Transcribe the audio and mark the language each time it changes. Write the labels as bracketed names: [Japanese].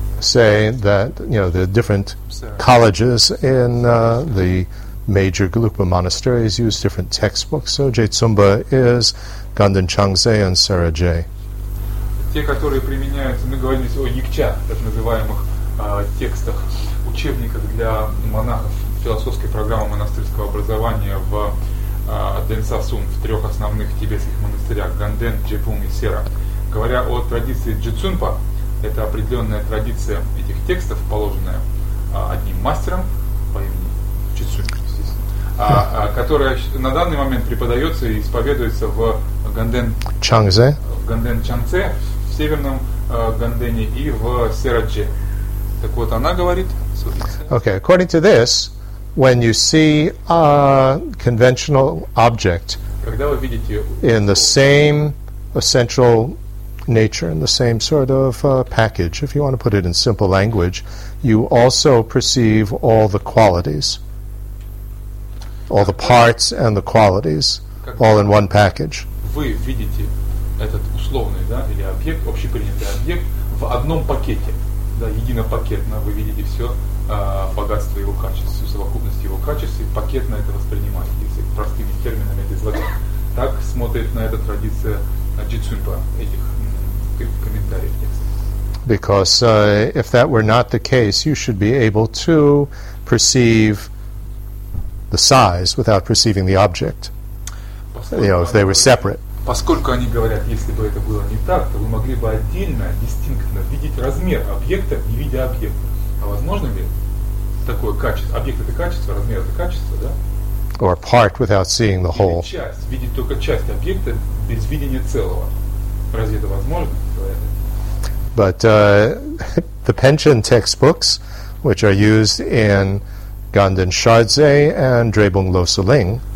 [English] say that, you know, the different colleges in the major Galupa monasteries use different textbooks. So, Jitsumba is Ganden Changze and Sarajay. [Russian] Те, которые применяются, мы говорим о Yikcha, так называемых текстах, учебниках для монахов философской программы монастырского образования в Денсасун, в трех основных тибетских монастырях Ганден, Джепун и Сера. Говоря о традиции Джицунпа, это определенная традиция этих текстов, положенная одним мастером по имени Джицунпа, которая на данный момент преподается и исповедуется в Ганден Чангзе, в северном Гандене и в Серадже. Так вот, она говорит... [English] Okay, according to this, when you see a conventional object in the same essential nature, in the same sort of package, if you want to put it in simple language, you also perceive all the qualities, all the parts and the qualities, all in one package. [Russian] Вы видите этот условный, да, или объект, общепринятый объект в одном пакете, да, единопакетно, вы видите все богатство его качеств, всю совокупность его качеств, и пакетно это воспринимаете, если простыми терминами это излагать. Так смотрит на эту традицию Джицунпа, этих комментариев. [English] Because if that were not the case, you should be able to perceive the size without perceiving the object. You know, if they were separate. [Russian] Поскольку они говорят, если бы это было не так, то вы могли бы отдельно, дистинктно видеть размер объекта, не видя объекта. А возможно ли такое качество? Объект — это качество, размер — это качество, да? [English] Or part without seeing the whole. [Russian] Или часть, видеть только часть объекта без видения целого. Разве это возможно? [English] But the pension textbooks, which are used in Ganden Shardze and Drebung Losuling.